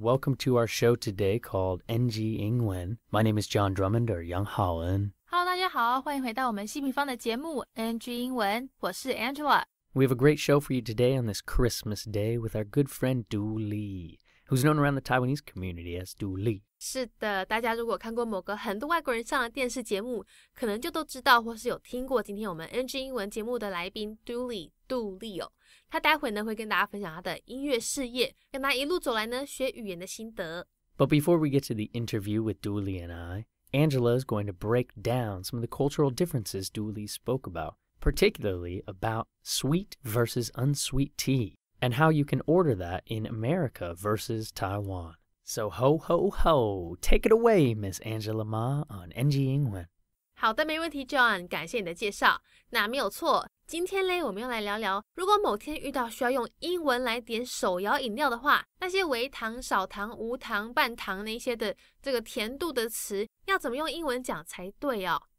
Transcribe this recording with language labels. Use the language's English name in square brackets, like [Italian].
[English] Welcome to our show today called NG English. My name is John Drummond or 杨浩恩. Hello, [Chinese] 大家好，欢迎回到我们希平方的节目 NG English. 我是 Angela. [English] We have a great show for you today on this Christmas day with our good friend Dooley, who's known around the Taiwanese community as Dooley. [Chinese] 是的，大家如果看过某个很多外国人上的电视节目，可能就都知道或是有听过今天我们 NG English 节目的来宾 Dooley 杜力哦。他待会呢会跟大家分享他的音乐事业，跟他一路走来呢学语言的心得。 [English] But before we get to the interview with Dooley and I, Angela is going to break down some of the cultural differences Dooley spoke about, particularly about sweet versus unsweet tea, and how you can order that in America versus Taiwan. So ho ho ho, take it away, Miss Angela Ma on NG English. [Chinese] 好的，没问题 ，John， 感谢你的介绍。那没有错。今天咧，我们要来聊聊，如果某天遇到需要用英文来点手摇饮料的话，那些微糖、少糖、无糖、半糖那些的这个甜度的词，要怎么用英文讲才对哦？